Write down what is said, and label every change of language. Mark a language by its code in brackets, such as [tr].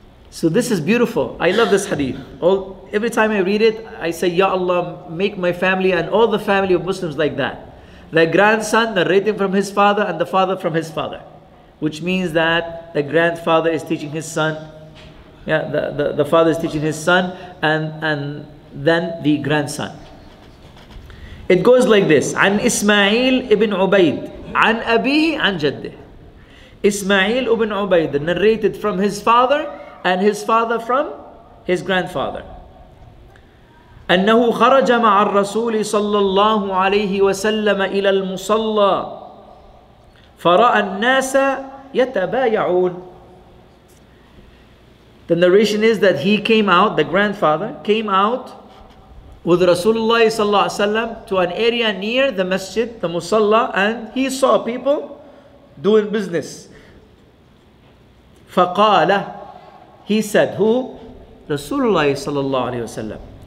[en] So this is beautiful. I love this hadith. Every time I read it, I say, Ya Allah, make my family and all the family of Muslims like that. The grandson narrating from his father and the father from his father. Which means that the grandfather is teaching his son. Yeah, the father is teaching his son and then the grandson. It goes like this. [ar] عن إسماعيل ابن عبيد عن أبيه عن جده. [en] Ismail ibn Ubayd narrated from his father and his father from his grandfather. [ar] أنه خرج مع الرسول صلى الله عليه وسلم إلى المصلى فرأى الناس يتبايعون. [en] The narration is that he came out, the grandfather came out with Rasulullah [ar] صلى الله عليه وسلم [en] to an area near the masjid, the musalla, and he saw people doing business. فقال, he said, who? Rasulullah sallallahu alayhi wa sallam.